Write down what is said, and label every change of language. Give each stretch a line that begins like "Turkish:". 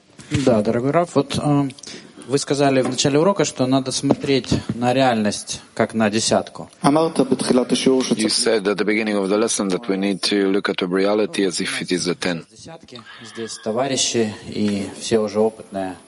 Russian: Да, дорогой Раф, вот вы сказали в начале урока, что надо смотреть на реальность, как на десятку.
English: You said at the beginning of the lesson that we need to look at reality as if it is a ten.
Russian: Здесь товарищи и все уже опытные.